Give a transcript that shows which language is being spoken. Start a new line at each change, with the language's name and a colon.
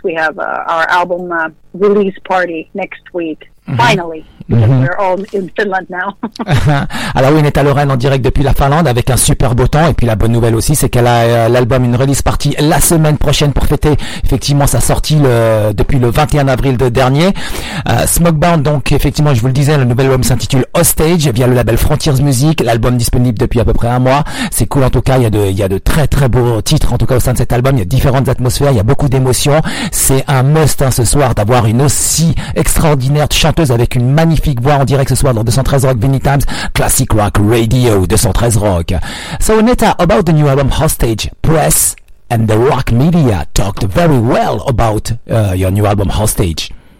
English: We have our album release party next week.
French: Alors oui, Netta Loren en direct depuis la Finlande avec un super beau temps. Et puis la bonne nouvelle aussi, c'est qu'elle a l'album, une release party la semaine prochaine pour fêter effectivement sa sortie depuis le 21 avril de dernier. Smokebound, donc effectivement, je vous le disais, le nouvel album s'intitule Hostage via le label Frontiers Music. L'album disponible depuis à peu près un mois. C'est cool en tout cas, il y a de très très beaux titres en tout cas au sein de cet album. Il y a différentes atmosphères, il y a beaucoup d'émotions. C'est un must ce soir d'avoir une aussi extraordinaire chanteuse avec une magnifique voix en direct ce soir dans 213 Rock Vinyl Times Classic Rock Radio 213 Rock.
English: So Netta, about the new album Hostage, press and the rock media talked very well about your new album Hostage.